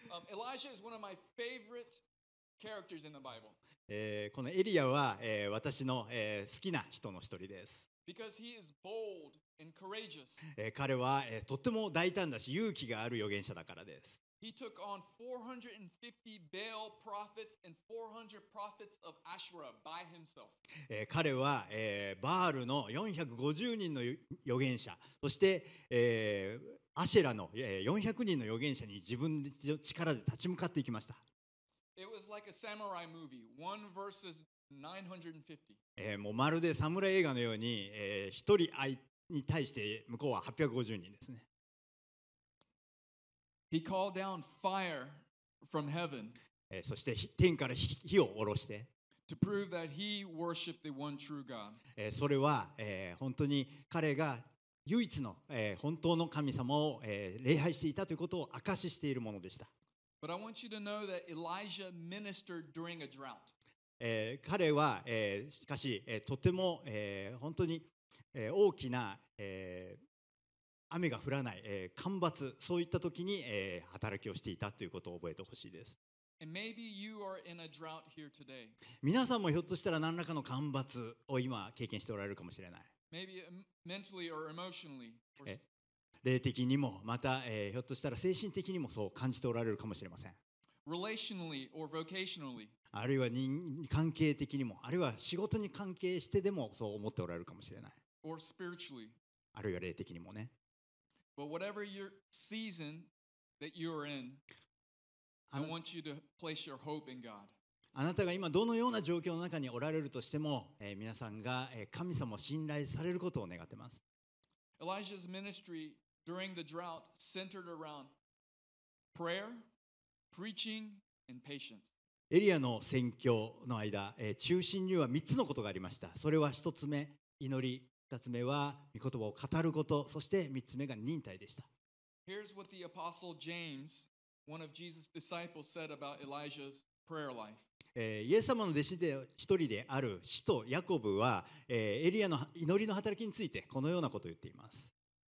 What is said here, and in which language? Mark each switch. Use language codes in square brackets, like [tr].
[en] Elijah is one of my favorite characters in the Bible. [ja] このエリアは、私の、好きな人の一人です。 [en] Because he is bold and courageous. [ja] 彼は、とても大胆だし勇気がある預言者だからです。 [en] He took on 450 Baal prophets and 400 prophets of Asherah by himself. [ja] 彼は、バールの450人の預言者、そして、アシェラの、400人の預言者に自分の力で立ち向かっていきました。 [en] It was like a samurai movie, one versus 950. [ja] もうまるで侍映画のように、一人相に対して向こうは850人ですね。 [en] He called down fire from heaven. [ja] そして天から火を下ろして。 [en] To prove that he worshipped the one true God. [ja] それは、本当に彼が唯一の、本当の神様を、礼拝していたということを証ししているものでした。 [en] But I want you to know that Elijah ministered during a drought. [ja] 彼は、しかし、とても、本当に、大きな、雨が降らない、干ばつ、そういった時に、働きをしていたということを覚えてほしいです。 [en] And maybe you are in a drought here today. [ja] 皆さんもひょっとしたら何らかの干ばつを今経験しておられるかもしれない。 [en] Maybe mentally or emotionally. [ja] 霊的にもまた、ひょっとしたら精神的にもそう感じておられるかもしれません。 [en] Relationally or vocationally. [ja] あるいは人関係的にもあるいは仕事に関係してでもそう思っておられるかもしれない。 [en] Or spiritually. [ja] あるいは霊的にもね。 [en] But whatever your season that you're in, I want you to place your hope in God. [ja] あなたが今どのような状況の中におられるとしても、皆さんが、神様を信頼されることを願ってます。 [en] Elijah's ministry during the drought centered around prayer, preaching, and patience. [ja] エリアの宣教の間、中心には3つのことがありました。それは1つ目、祈り、2つ目は御言葉を語ること、そして3つ目が忍耐でした。 [en] Here's what the apostle James, one of Jesus' disciples, said about Elijah's prayer life. [ja] イエス様の弟子で一人である使徒ヤコブは、エリアの祈りの働きについてこのようなことを言っています。エリアは人間の性質が私たちと同じように祈りました。そして3年と6ヶ月に雨が降らなかったのです。そして祈りを祈りました。天が雨を降らせ、地が実を結ぶ。